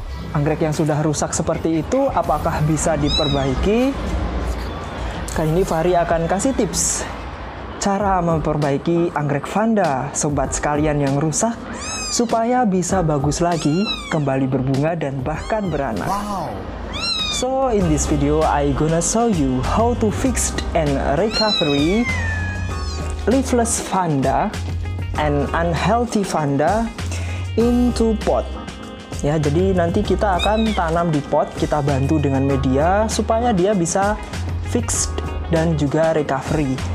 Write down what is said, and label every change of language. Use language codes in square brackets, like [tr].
[id] Anggrek yang sudah rusak seperti itu, apakah bisa diperbaiki? Kali ini Fahri akan kasih tips cara memperbaiki anggrek Vanda, sobat sekalian yang rusak, supaya bisa bagus lagi, kembali berbunga dan bahkan beranak. Wow. [en] So, in this video, I gonna show you how to fix and recovery leafless Vanda and unhealthy Vanda into pot. [id] Ya, jadi nanti kita akan tanam di pot, kita bantu dengan media supaya dia bisa fixed dan juga recovery.